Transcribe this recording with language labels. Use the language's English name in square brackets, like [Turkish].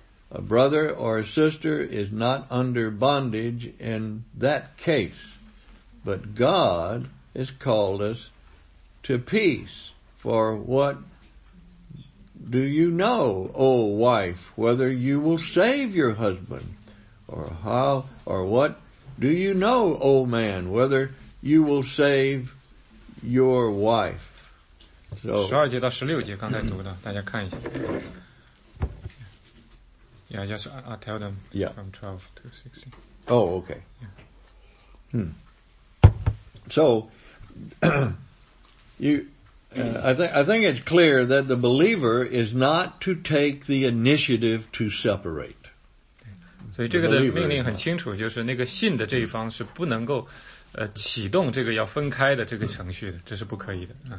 [English] A brother or a sister is not under bondage in that case, but God has called us to peace. For what do you know, O wife, whether you will save your husband? Or what do you know, O man, whether you will save your wife? So, [Chinese] 12节到16节刚才读的，大家看一下。 [English] Yeah, just I'll tell them from 12 to 16. Oh, okay. Yeah. So, I think it's clear that the believer is not to take the initiative to separate. [Chinese] 所以这个的命令很清楚，就是那个信的这一方是不能够启动这个要分开的这个程序的，这是不可以的。